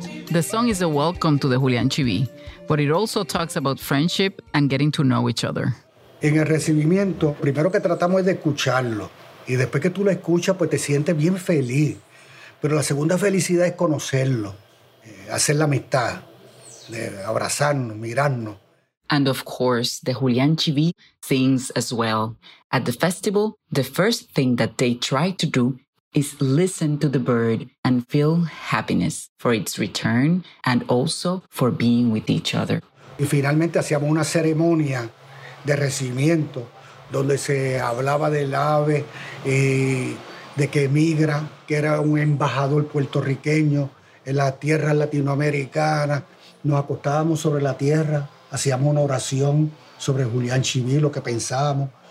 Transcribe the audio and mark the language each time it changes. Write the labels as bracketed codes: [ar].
[en] The song is a welcome to the Julian Chibi, but it also talks about friendship and getting to know each other. [es] En el recibimiento, primero que tratamos es de escucharlo. Y después que tú lo escuchas, pues te sientes bien feliz. Pero la segunda felicidad es conocerlo, hacer la amistad, abrazarnos, mirarnos. [en] And of course, the Julian Chibi sings as well. At the festival, the first thing that they try to do is listen to the bird and feel happiness for its return and also for being with each other. [es] Y finalmente hacíamos una ceremonia de recibimiento donde se hablaba del ave y de que migra, que era un embajador puertorriqueño en la tierra latinoamericana. Nos acostábamos sobre la tierra, hacíamos una oración sobre Julian Chibi, lo que pensábamos.